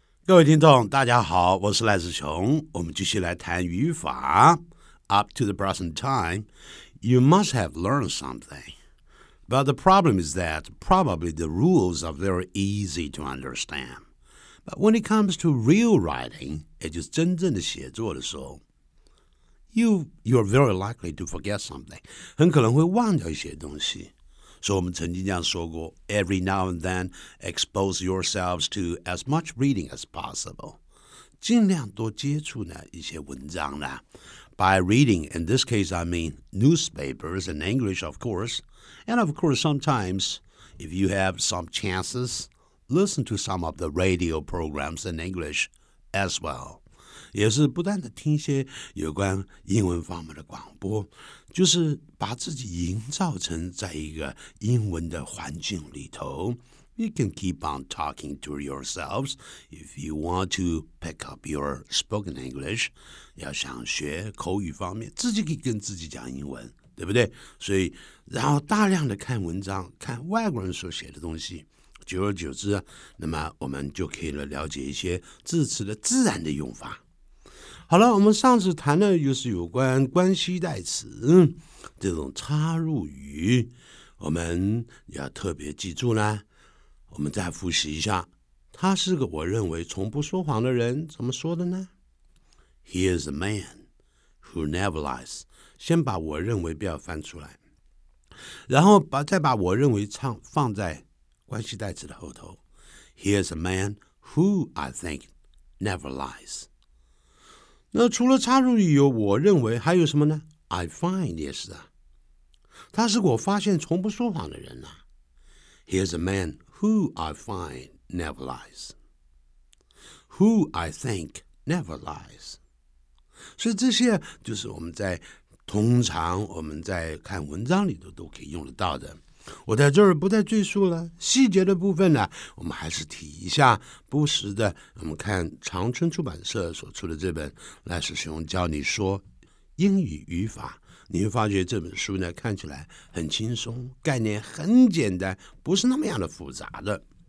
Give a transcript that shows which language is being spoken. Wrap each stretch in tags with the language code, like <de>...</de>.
<zh>各位听众大家好，我是赖子雄，我们继续来谈语法。</zh> <en>Up to the present time, you must have learned something. But the problem is that probably the rules are very easy to understand. But when it comes to real writing,</en> <zh>也就是真正的写作的时候，</zh> <en>you're very likely to forget something.</en> <zh>很可能会忘掉一些东西。</zh> <en>So</en> <zh>我们曾经这样说过，</zh> <en>Every now and then, expose yourselves to as much reading as possible.</en> <zh>尽量多接触呢一些文章呢。</zh> <en>By reading, in this case I mean newspapers and English, of course. And of course, sometimes, if you have some chances, listen to some of the radio programs in English as well.</en> <zh>也是不断地听一些有关英文方面的广播，就是把自己营造成在一个英文的环境里头。</zh> <en>You can keep on talking to yourselves if you want to pick up your spoken English.</en> <zh>要想学口语方面，自己可以跟自己讲英文，对不对？所以然后大量的看文章，看外国人所写的东西，久而久之，那么我们就可以了解一些字词的自然的用法。好了，我们上次谈的就是有关关系代词这种插入语，我们要特别记住呢。我们再复习一下，他是个我认为从不说谎的人，怎么说的呢？</zh> <en>He is a man who never lies.</en> <zh>先把我认为不要翻出来，然后再把我认为放在关系代词的后头。</zh> <en>He is a man who I think never lies.</en> <zh>那除了插入语有我认为还有什么呢？</zh> <en>I find</en> <zh>也是啊。他是我发现从不说谎的人啊。</zh> <en>He is a man who I find never lies. Who I think never lies.</en> <zh>所以这些就是我们在通常我们在看文章里头都可以用得到的。我在这儿不再赘述了，细节的部分呢，我们还是提一下。不时的，我们看长春出版社所出的这本《赖世雄教你说英语语法》，你会发觉这本书呢看起来很轻松，概念很简单，不是那么样的复杂的。</zh>